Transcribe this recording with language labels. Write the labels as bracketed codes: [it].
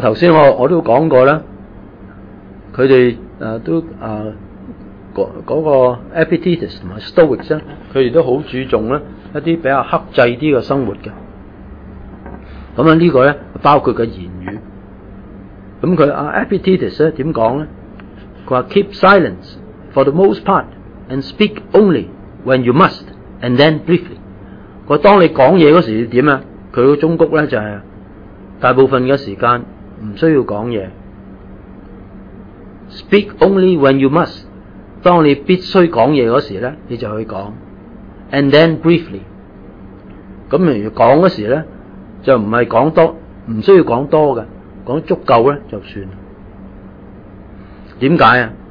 [yue] 頭先我都講過啦，佢哋都那個 Epictetus 同埋 Stoics 咧，佢哋都好注重咧一啲比較克制啲嘅生活嘅。咁啊，呢個咧包括嘅言語。咁佢 Epictetus 咧點講咧？佢話 [en] keep silence for the most part and speak only when you must and then briefly。 [yue] 佢當你講嘢嗰時點啊？佢個忠告咧就係大部分嘅時間唔需要講嘢。 [en] Speak only when you must。 [yue] 当你必须讲嘢嗰时咧，你就去讲。 [en] And then briefly。 [yue] 咁如讲嗰时咧，就唔系讲多，唔需要讲多嘅，讲足够咧就算。点解啊？